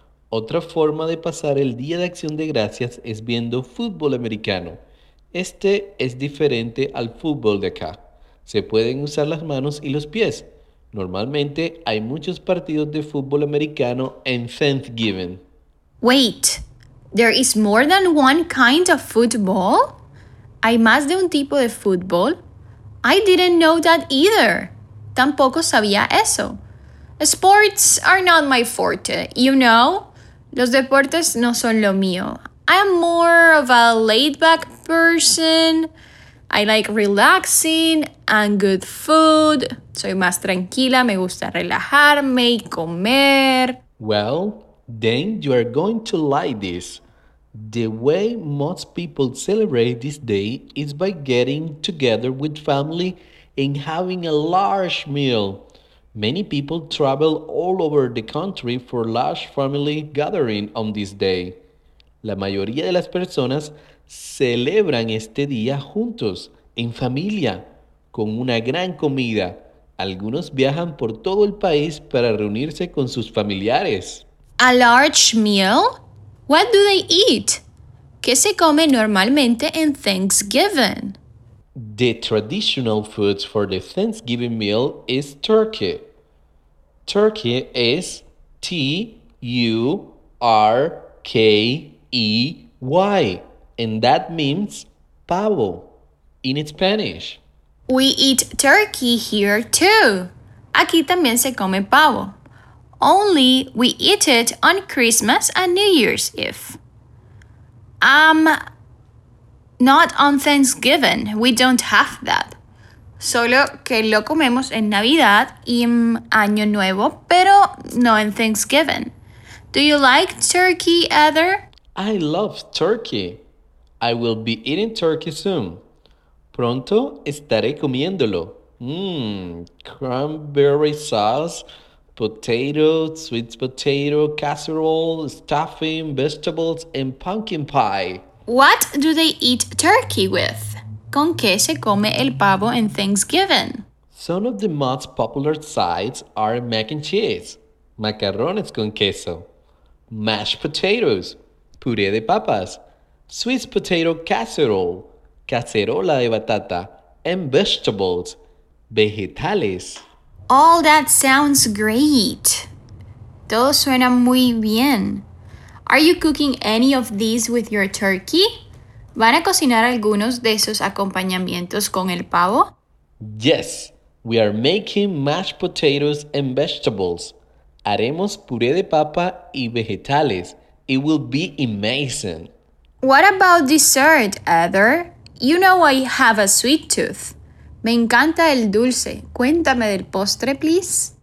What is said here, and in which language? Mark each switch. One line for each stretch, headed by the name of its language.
Spanish: Otra forma de pasar el Día de Acción de Gracias es viendo fútbol americano. Este es diferente al fútbol de acá. Se pueden usar las manos y los pies. Normalmente hay muchos partidos de fútbol americano en Thanksgiving.
English: Wait, there is more than one kind of football?
Spanish: ¿Hay más de un tipo de fútbol?
English: I didn't know that either.
Spanish: Tampoco sabía eso.
English: Sports are not my forte, you know?
Spanish: Los deportes no son lo mío.
English: I am more of a laid-back person. I like relaxing and good food.
Spanish: Soy más tranquila, me gusta relajarme y comer.
English: Well, then you are going to like this. The way most people celebrate this day is by getting together with family and having a large meal. Many people travel all over the country for large family gathering on this day.
Spanish: La mayoría de las personas celebran este día juntos, en familia, con una gran comida. Algunos viajan por todo el país para reunirse con sus familiares.
English: A large meal? What do they eat?
Spanish: ¿Qué se come normalmente en Thanksgiving?
English: The traditional food for the Thanksgiving meal is turkey. Turkey is T-U-R-K-E-Y, and that means pavo in Spanish. We eat turkey here too.
Spanish: Aquí también se come pavo.
English: Only we eat it on Christmas and New Year's Eve. Not on Thanksgiving. We don't have that.
Spanish: Solo que lo comemos en Navidad y en Año Nuevo, pero no en Thanksgiving.
English: Do you like turkey, Heather? I love turkey. I will be eating turkey soon.
Spanish: Pronto estaré comiéndolo.
English: Cranberry sauce, potato, sweet potato, casserole, stuffing, vegetables, and pumpkin pie. What do they eat turkey with?
Spanish: ¿Con qué se come el pavo en Thanksgiving?
English: Some of the most popular sides are mac and cheese,
Spanish: macarrones con queso,
English: mashed potatoes,
Spanish: puré de papas,
English: sweet potato casserole,
Spanish: cacerola de batata,
English: and vegetables, vegetales. All that sounds great.
Spanish: Todo suena muy bien.
English: Are you cooking any of these with your turkey?
Spanish: ¿Van a cocinar algunos de esos acompañamientos con el pavo?
English: Yes, we are making mashed potatoes and vegetables.
Spanish: Haremos puré de papa y vegetales.
English: It will be amazing. What about dessert, Heather? You know I have a sweet tooth.
Spanish: Me encanta el dulce. Cuéntame del postre, please.